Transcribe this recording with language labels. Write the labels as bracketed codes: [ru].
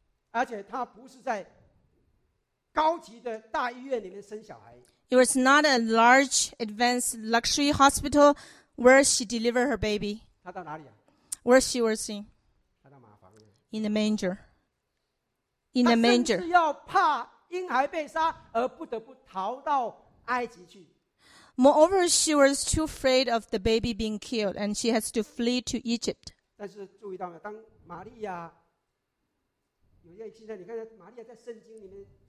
[zh] 而且他不是在高级的大医院里面生小孩。 [en] It was not a large, advanced, luxury hospital where she delivered her baby. [zh] 她到哪里啊？ [en] Where she was in? [zh] 她到马房。 [en] In the manger. In the manger. [zh] 她甚至要怕婴孩被杀而不得不逃到埃及去。 [en] Moreover, she was too afraid of the baby being killed, and she has to flee to Egypt. [zh] 但是注意到了，当玛利亚有一件事，你看玛利亚在圣经里面。